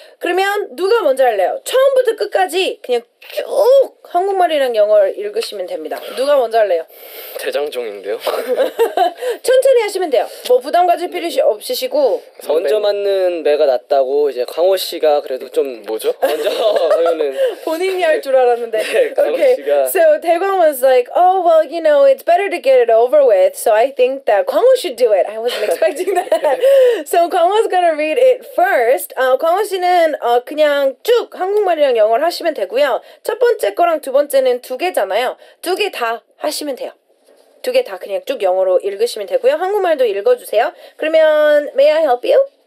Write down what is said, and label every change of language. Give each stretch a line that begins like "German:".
Korean: 그러면 누가 먼저 할래요? 처음부터 끝까지 그냥 쭉 한국말이랑 영어를 읽으시면 됩니다. 누가 먼저 할래요? 대장종인데요. 천천히 하시면 돼요. 뭐 부담 가질 필요 없으시고 먼저 맞는 매가 낫다고 이제 광호 씨가 그래도 좀 뭐죠? 먼저 하면은 본인이 할 줄 알았는데. 네, 광호
English: okay.
Korean: 씨가
English: So 대광 was like, "Oh, well, you know, it's better to get it over with. So I think that 광호 should do it. I wasn't expecting that." So 광호's gonna read it first.
Korean: 광호 씨는 그냥 쭉 한국말이랑 영어를 하시면 되고요. 첫 번째 거랑 두 번째는 두 개잖아요. 두 개 다 하시면 돼요. 두 개 다 그냥 쭉 영어로 읽으시면 되고요. 한국말도 읽어주세요. 그러면
English: May I help you?